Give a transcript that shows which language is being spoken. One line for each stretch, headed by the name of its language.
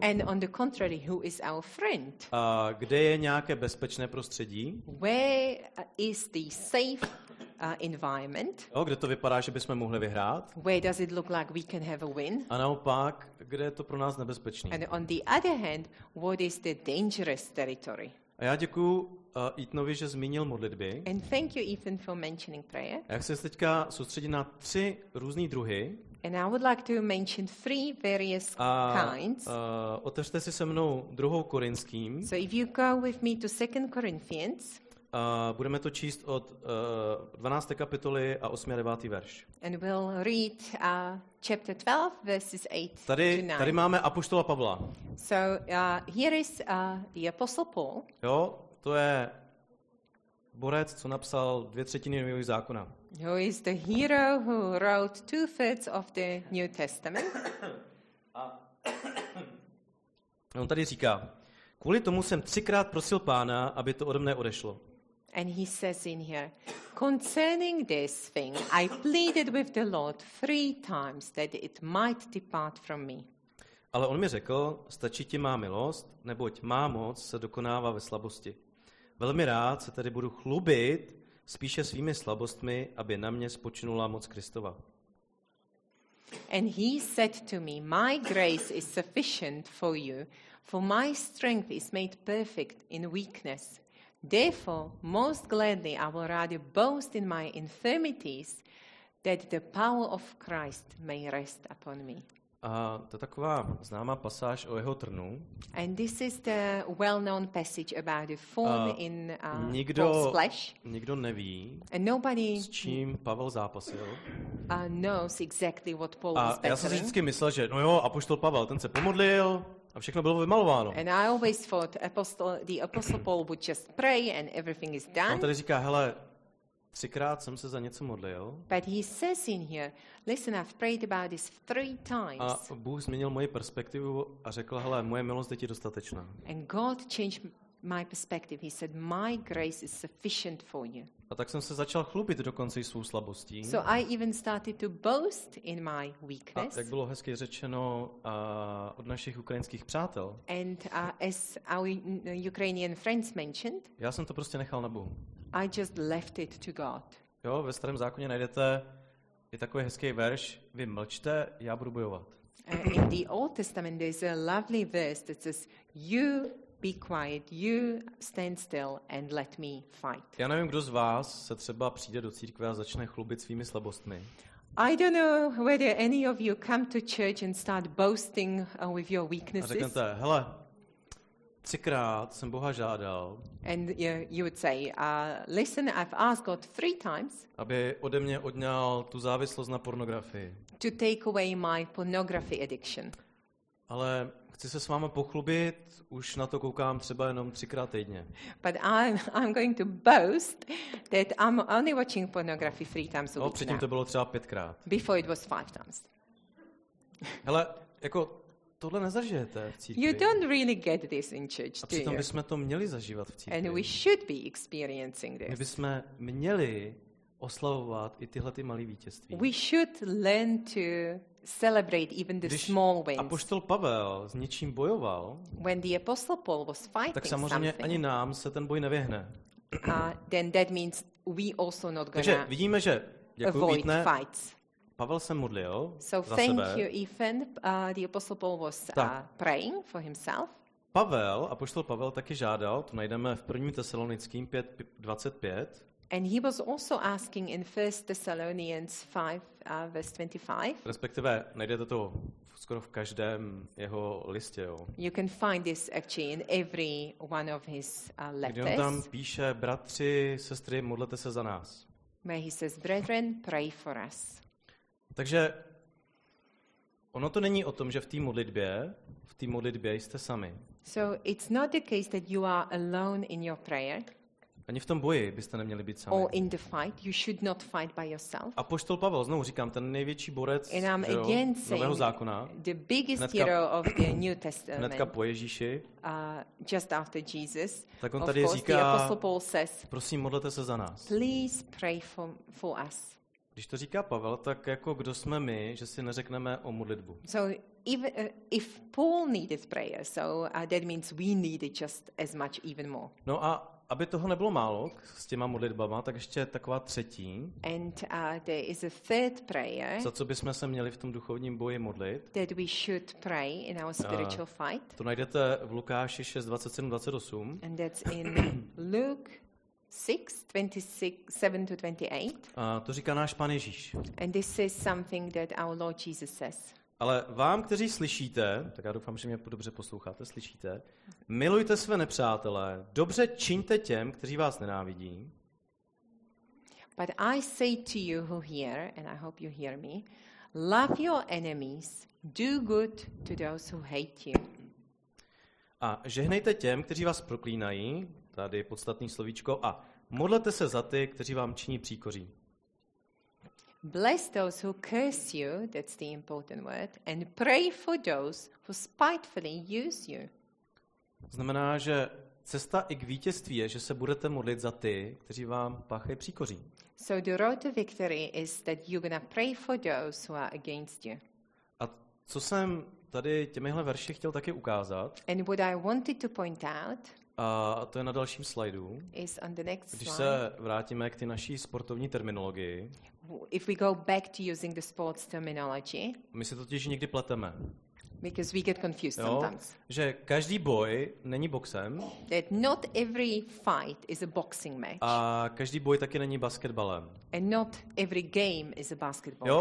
English: And on the contrary, who is our friend?
Czech: Kde je nějaké bezpečné prostředí?
English: Where is the safe environment?
Czech: Jo, kde to vypadá, že bychom mohli vyhrát?
English: Where does it look like we can have a win?
Czech: A naopak, kde je to pro nás nebezpečné?
English: And on the other hand, what is the dangerous territory?
Czech: A já děkuju Ethanovi, že zmínil modlitby.
English: And thank you, Ethan, for mentioning prayer.
Czech: Já chci se teďka soustředit na tři různé druhy.
English: And I would like to mention three various kinds.
Czech: Otevřte si se mnou druhou Korinským.
English: So if you go with me to 2 Corinthians.
Czech: Budeme to číst od 12. kapitoly a 8. a 9. verš.
English: And we'll read chapter 12 verses 8
Czech: tady,
English: to 9.
Czech: Tady máme apoštola Pavla.
English: So here is the apostle Paul.
Czech: Jo. To je borec, co napsal 2/3 Nového zákona.
English: Who is the hero who wrote 2/3 of the New Testament?
Czech: On tady říká: kvůli tomu jsem třikrát prosil Pána, aby to ode mne odešlo.
English: And he says in here, concerning this thing, I pleaded with the Lord 3 times that it might depart from me.
Czech: Ale on mi řekl: stačí ti má milost, neboť má moc se dokonává ve slabosti. Velmi rád se tedy budu chlubit spíše svými slabostmi, aby na mě spočinula moc Kristova.
English: And he said to me, my grace is sufficient for you, for my strength is made perfect in weakness. Therefore, most gladly I will rather boast in my infirmities, that the power of Christ may rest upon me.
Czech: A to je taková známá pasáž o jeho trnu.
English: And this is the well-known passage about the thorn in Paul's flesh.
Czech: Nikdo neví.
English: And nobody
Czech: s čím Pavel zápasil.
English: Knows exactly what Paul
Czech: a
English: was battling.
Czech: Já jsem vždycky myslel, že no jo, apoštol Pavel, ten se pomodlil a všechno bylo vymalováno.
English: And I always thought the apostle Paul would just pray and everything is done.
Czech: On tady říká, hele, třikrát jsem se za něco modlil.
English: But he says in here, listen, I've prayed about this 3 times.
Czech: A Bůh změnil moji perspektivu a řekl, hele, moje milost je ti dostatečná.
English: And God changed my perspective. He said, my grace is sufficient for you.
Czech: A tak jsem se začal chlubit dokonce i svou slabostí.
English: So I even started to boast in my weakness.
Czech: A jak bylo hezky řečeno od našich ukrajinských přátel.
English: And as our Ukrainian friends mentioned.
Czech: Já jsem to prostě nechal na Bohu.
English: I just left it to God.
Czech: Jo, ve starém zákoně najdete je takový hezký verš, vy mlčte, já budu bojovat.
English: In the Old Testament there's a lovely verse that says you be quiet, you stand still and let me fight.
Czech: Já nevím, kdo z vás se třeba přijde do církve a začne chlubit svými slabostmi.
English: I don't know whether any of you come to church and start boasting with your weaknesses.
Czech: A řeknete, hele, třikrát jsem Boha žádal.
English: And you would say, listen, I've asked God 3 times.
Czech: Aby ode mě odňal tu závislost na pornografii.
English: To take away my pornography addiction.
Czech: Ale chci se s vámi pochlubit, už na to koukám třeba jenom 3x týdně.
English: But I'm going to boast that I'm only watching pornography 3 times a week.
Czech: No, předtím to bylo třeba 5x.
English: Before it was 5 times.
Czech: Hele, jako tohle nezažijete v církvi.
English: You don't really get this in church, do you?
Czech: A přitom bychom to měli zažívat v církvi.
English: And we should be experiencing this.
Czech: My bychom měli oslavovat i tyhle ty malé vítězství.
English: We should learn to celebrate even the small wins.
Czech: Když apoštol Pavel s něčím bojoval,
English: when the apostle Paul was fighting something,
Czech: tak samozřejmě ani nám se ten boj nevyhne.
English: Then that means we also not gonna.
Czech: Takže vidíme, že
English: avoid fights.
Czech: Pavel se modlil
English: so
Czech: za
English: thank
Czech: sebe.
English: You, Ethan. The apostle Paul was praying for himself.
Czech: Pavel, apoštol Pavel taky žádal, to najdeme v 1. Tesalonickým 5:25.
English: And he was also asking in 1 Thessalonians 5 verse 25.
Czech: Respektive najdete to skoro v každém jeho listě. Jo.
English: You can find this actually in every one of his letters.
Czech: Kdy on tam píše, bratři, sestry, modlete se za nás.
English: Where he says, brethren, pray for us.
Czech: Takže ono to není o tom, že v té modlitbě jste sami.
English: So it's not the case that you are alone in your prayer.
Czech: Ani v tom boji byste neměli být sami.
English: Or in the fight, you should not fight by yourself.
Czech: A apoštol Pavel, znovu říkám, ten největší borec Nového zákona.
English: The biggest hero of the New Testament.
Czech: Hnedka po Ježíši.
English: Just after Jesus.
Czech: Tak on tady říká, prosím, modlete se za nás.
English: Please pray for us.
Czech: Když to říká Pavel, tak jako kdo jsme my, že si neřekneme o modlitbu.
English: So if Paul needed prayer, so that means we need it just as much, even more.
Czech: No a aby toho nebylo málo s těma modlitbama, tak ještě taková třetí.
English: And there is a third prayer.
Czech: Za co bychom se měli v tom duchovním boji modlit?
English: That we should pray in our spiritual fight.
Czech: To najdete v Lukáši 6:27-28.
English: And that's in Luke 6:27-28.
Czech: To říká náš Pán Ježíš.
English: And this is something that our Lord Jesus says.
Czech: Ale vám, kteří slyšíte, tak já doufám, že mě dobře posloucháte, slyšíte, milujte své nepřátele, dobře čiňte těm, kteří vás nenávidí.
English: But I say to you who hear, and I hope you hear me, love your enemies, do good to those who hate you.
Czech: A žehnejte těm, kteří vás proklínají, tady je podstatný slovíčko, a modlete se za ty, kteří vám činí příkoří.
English: Bless those who curse you, that's the important word, and pray for those who spitefully use you.
Czech: Znamená, že cesta i k vítězství je, že se budete modlit za ty, kteří vám páchají příkoří.
English: So the road to victory is that you're gonna pray for those who are against you.
Czech: A co jsem tady těmihle verši chtěl taky ukázat?
English: And what I wanted to point out.
Czech: A to je na dalším slajdu.
English: Is on the next slide.
Czech: Když se vrátíme k té naší sportovní terminologii.
English: If we go back to using the sports terminology.
Czech: My se totiž někdy pleteme.
English: Because we get confused sometimes.
Czech: Že každý boj není boxem.
English: That not every fight is a boxing match.
Czech: A každý boj taky není basketbalem.
English: And not every game is a basketball